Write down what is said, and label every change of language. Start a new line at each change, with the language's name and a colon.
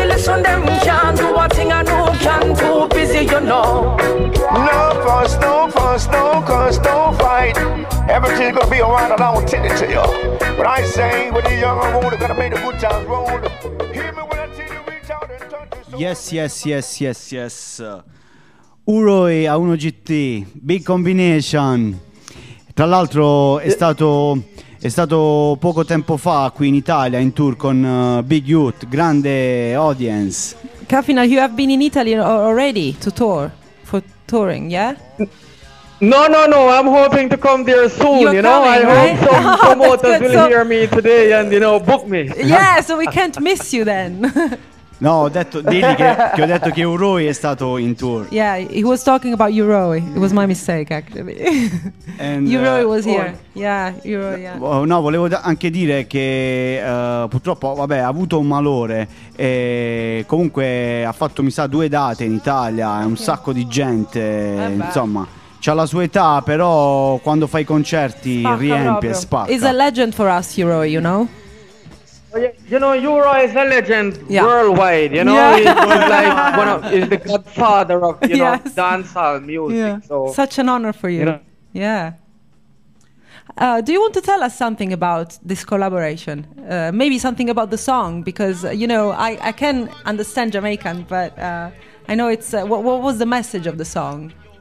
English: Listen, them can't do a thing I know, can't do busy, you know. No fuss, no fuss, no cuss, no fight. Everything's gonna be alright and I will tell it to you. But I say, when you're young and old, gotta make a good time roll. Hear me when I tell you, reach out and touch you. Yes, yes, yes, yes, yes.
Italian: Uroi a 1GT,
English: big combination.
Italian: Tra l'altro è stato... è stato poco tempo fa qui in Italia in tour con Big Youth, grande audience.
English: Kafina, you have been in Italy already to tour, for touring, yeah? No, I'm hoping to come there soon. You're, you know, coming, I hope, right? Some promoters will hear me today and, you know, book me. Yeah, so we can't miss you then.
Italian: No, ho detto, dili che ho detto che Uroi è stato in tour.
English: Yeah, he was talking about Uroi. It was my mistake, actually. And, Uroi was here. Yeah, Uroi, yeah.
Italian: No, volevo anche dire che purtroppo, vabbè, ha avuto un malore. E comunque ha fatto, mi sa, 2 date in Italia. È un sacco di gente, insomma. C'ha la sua età, però quando fa i concerti spacca, riempie, proprio. Spacca.
English: He's a legend for us, Uroi, you know? You know, Euro is a legend, yeah. Worldwide, you know, yeah. He's like one of, he's the godfather of, you know, yes, dancehall music, yeah. So such an honor for you, you know? Yeah. Do you want to tell us something about this collaboration? Maybe something about the song, because, you know, I can understand Jamaican, but I know it's, what was the message of the song?